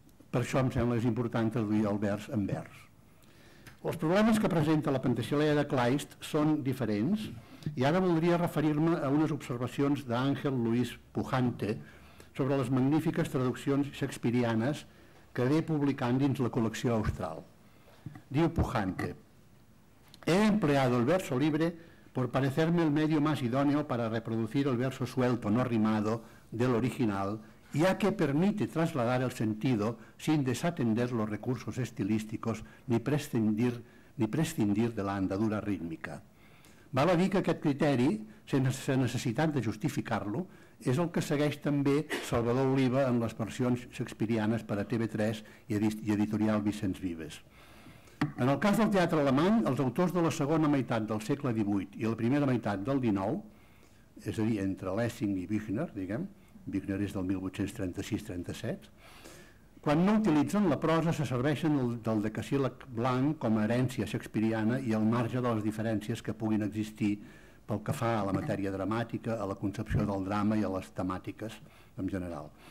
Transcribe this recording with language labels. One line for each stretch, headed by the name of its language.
Catalan: Per això em sembla que és important traduir el vers en vers. Els problemes que presenta la Pentasilea de Kleist són diferents i ara voldria referir-me a unes observacions d'Àngel Luis Pujante sobre les magnífiques traduccions shakespearianes que ve publicant dins la col·lecció Austral. Diu Pujante,
Spanish: he empleado el verso libre por parecerme el medio más idóneo para reproducir el verso suelto, no rimado, del original, ya que permite trasladar el sentido sin desatender los recursos estilísticos ni prescindir de la andadura rítmica.
Catalan: Val a dir que aquest criteri, sense necessitat de justificar-lo, és el que segueix també Salvador Oliva en les versions shakespearianes per a TV3 i Editorial Vicenç Vives. En el cas del teatre alemany, els autors de la segona meitat del segle XVIII i la primera meitat del XIX, és a dir, entre Lessing i Büchner, diguem, Büchner és del 1836-37, quan no utilitzen la prosa, se serveixen del decasíl·lec blanc com a herència shakespeariana i al marge de les diferències que puguin existir pel que fa a la matèria dramàtica, a la concepció del drama i a les temàtiques en general.